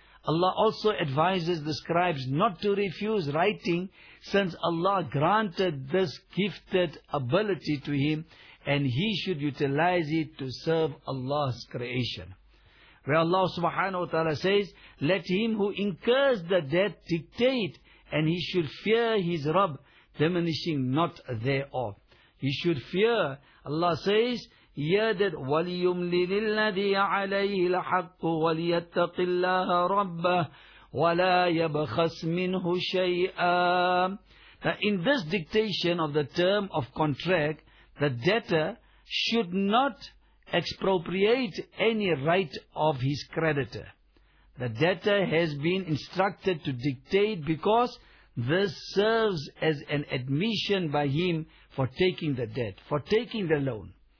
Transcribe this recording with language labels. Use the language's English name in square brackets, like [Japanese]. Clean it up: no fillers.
[English] Allah also advises the scribes not to refuse writing, since Allah granted this gifted ability to him, and he should utilize it to serve Allah's creation. Where Allah subhanahu wa ta'ala says, let him who incurs the debt dictate, and he should fear his Rabb, diminishing not thereof. He should fear. Allah says, [Arabic] يَدَدْ وَلِيُمْلِلِ الَّذِي عَلَيْهِ الْحَقُّ وَلِيَتَّقِ اللَّهَ رَبَّهُ وَلَا يَبْخَسْ مِنْهُ شَيْئًا. [English] Now in this dictation of the term of contract, the debtor should not expropriate any right of his creditor. The debtor has been instructed to dictate because this serves as an admission by him for taking the debt, for taking the loan.